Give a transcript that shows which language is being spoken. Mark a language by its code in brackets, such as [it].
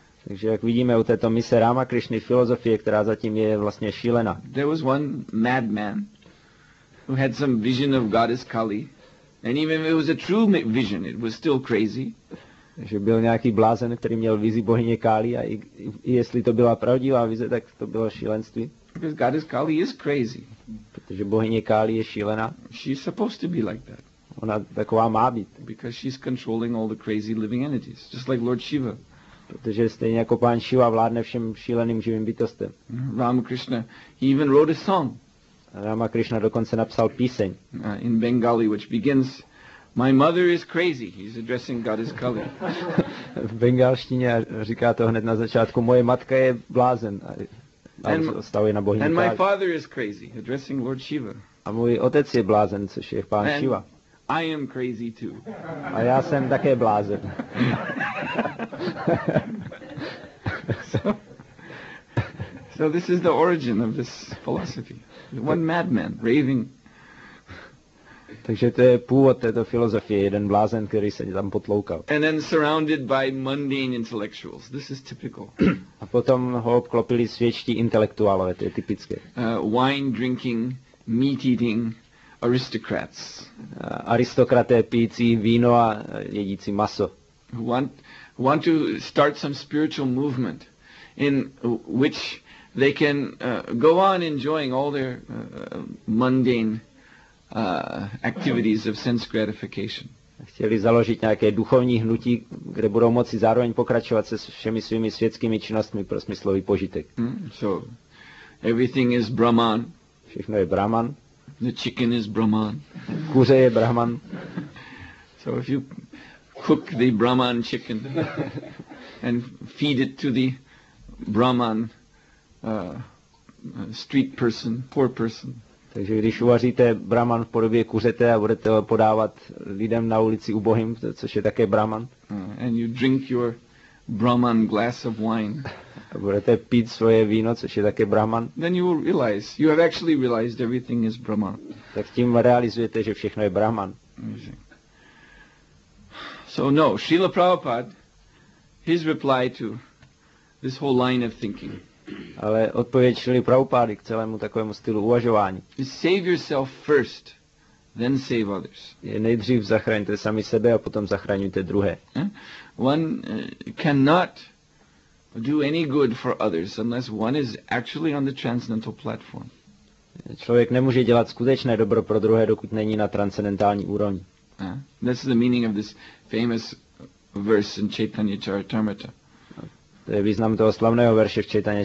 [cs] Takže jak vidíme u této mise Ramakrishny filozofie, která zatím je vlastně šílená. [en] There was one madman who had some vision of goddess Kali, and even if it was a true vision, it was still crazy. [cs] Že byl nějaký blázen, který měl vizi bohyně Kali, a i jestli to byla pravdivá vize, tak to bylo šílenství. [en] Because goddess Kali is crazy. [cs] Protože bohyně Kali je šílená. [en] She's supposed to be like that. [cs] Ona taková má být. [en] Because she's controlling all the crazy living entities, just like Lord Shiva. [cs] Protože stejně jako pán Shiva vládne všem šíleným živým bytostem. [en] Ramakrishna, he even wrote a song. [cs] Ramakrishna dokonce napsal píseň. [en] In Bengali, which begins, "My mother is crazy." He's addressing goddess Kali. [cs] V bengalštině říká to hned na začátku, moje matka je blázen. A on stavuje na bohyni [en] Kali. And my father is crazy, addressing Lord Shiva. [cs] A můj otec je blázen, což je pán Shiva. I am crazy too. A já jsem také blázen. [en] So this is the origin of this philosophy. One madman raving. [cs] Takže to je původ této filozofie, jeden blázen, který se tam potloukal. [en] And then surrounded by mundane intellectuals. This is typical. [cs] A potom ho obklopili svědčtí intelektuálové, to je typické. [en] Wine drinking, meat eating. Aristocrats. [cs] Aristokraté pijící víno a jedící maso. [en] Want to start some spiritual movement in which they can go on enjoying all their mundane activities of sense gratification. [cs] Chtěli založit nějaké duchovní hnutí, kde budou moci zároveň pokračovat se všemi svými světskými činnostmi pro smyslový požitek. [en] So everything is Brahman. [cs] Všechno je Brahman. [en] The chicken is Brahman. [cs] Kuře je Brahman. [en] So if you cook the Brahman chicken and feed it to the Brahman street person, poor person. [cs] Takže když uvaříte Brahman v podobě kuřete a budete ho podávat lidem na ulici ubohým, což je také Brahman. [en] And you drink your Brahman glass of wine. [cs] A budete pít svoje víno, což je také Brahman. [en] Then you will realize, you have actually realized everything is Brahman. [cs] Tak tím realizujete, že všechno je Brahman. [en] So no, Srila Prabhupada, his reply to this whole line of thinking. [cs] Ale odpověď Srila Prabhupady k celému takovému stylu uvažování. [en] Save yourself first, then save others. [cs] Je nejdřív zachraňte sami sebe a potom zachraňujte druhé. [en] One cannot do any good for others unless one is actually on the transcendental platform. [cs] Člověk nemůže dělat skutečné dobro pro druhé, dokud není na transcendentální úrovni. [en] That's the meaning of this famous verse in Chaitanya Charitamrita. [cs] To je význam toho slavného verše v Čaitanje